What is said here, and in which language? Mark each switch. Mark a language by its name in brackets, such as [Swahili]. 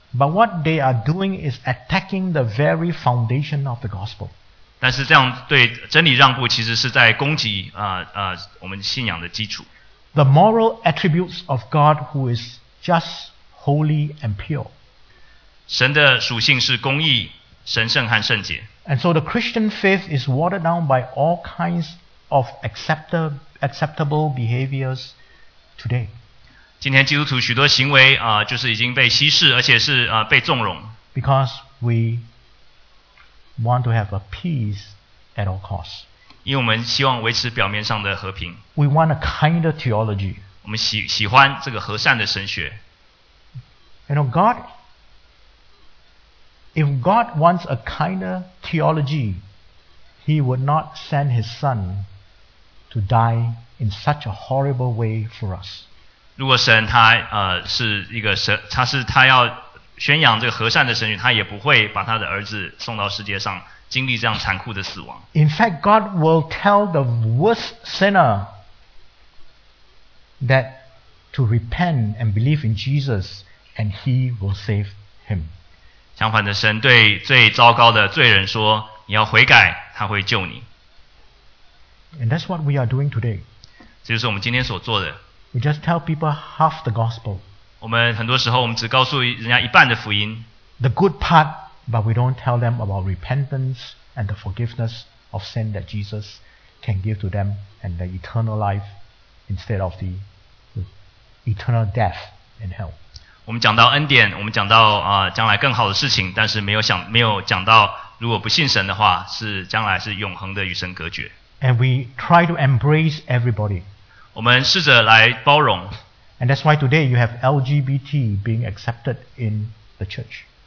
[English] But what they are doing is attacking the very foundation of the gospel. [Chinese] 但是这样对真理让步，其实是在攻击我们信仰的基础。 [English] The moral attributes of God who is just holy and pure. [Chinese] 神的属性是公义、神圣和圣洁。 [English] And so the Christian faith is watered down by all kinds of acceptable behaviors today. [Chinese] 今天基督徒许多行为啊，就是已经被稀释，而且是啊被纵容。 [English] Because we want to have a peace at all costs. [Chinese] 因为我们希望维持表面上的和平。 [English] We want a kinder theology. [Chinese] 我们喜欢这个和善的神学。 [English] You know, God, if God wants a kinder theology, He would not send His Son to die in such a horrible way for us. [Chinese] 如果神他是一个神，他是他要宣扬这个和善的神学，他也不会把他的儿子送到世界上经历这样残酷的死亡。 [English] In fact, God will tell the worst sinner that to repent and believe in Jesus. And he will save him. [Chinese] 相反的，神对最糟糕的罪人说：“你要悔改，他会救你。” [English] And that's what we are doing today. [Chinese] 这就是我们今天所做的。 [English] We just tell people half the gospel. [Chinese] 我们很多时候，我们只告诉人家一半的福音。 [English] The good part, but we don't tell them about repentance and the forgiveness of sin that Jesus can give to them and the eternal life instead of the eternal death in hell. [Chinese] 我们讲到恩典，我们讲到将来更好的事情，但是没有讲到，如果不信神的话，是将来是永恒的与神隔绝。 [English] And we try to embrace everybody. [Chinese] 我们试着来包容。 [English] And that's why today you have LGBT being accepted in the church.